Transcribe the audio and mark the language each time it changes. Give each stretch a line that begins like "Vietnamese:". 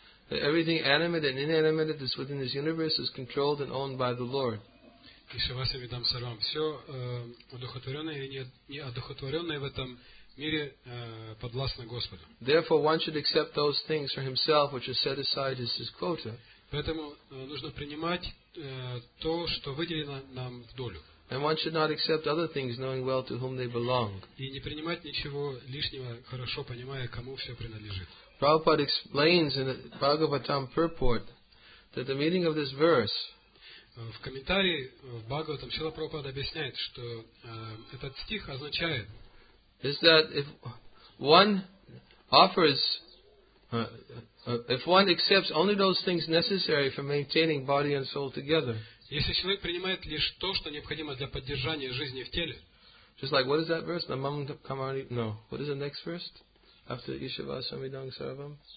English: That everything animate and inanimate that is within this universe is controlled and owned by the Lord.
Sanskrit: Ishavasya Vidam Saram.
Russian: Все одухотворенное и неодухотворенное в этом мире подвластно Господу.
English: Therefore one should accept those things for himself which are set aside as his quota.
Russian: Поэтому нужно принимать то, что выделено нам в долю.
English: And one should not accept other things, knowing well to whom they belong.
Russian: И не принимать ничего лишнего, хорошо понимая, кому все принадлежит.
English: Prabhupada explains in the Bhagavatam purport that the meaning of this verse.
Russian: В комментарии в Бхагаватам Шрила Прабхупада объясняет, что этот стих означает.
English: Is that if one offers, if one accepts only those things necessary for maintaining body and soul together.
Russian: Если человек принимает лишь то, что необходимо для поддержания жизни в теле.
English: Just like, what is that verse? No. What is the next verse? After Ishavasamidang Sarvam?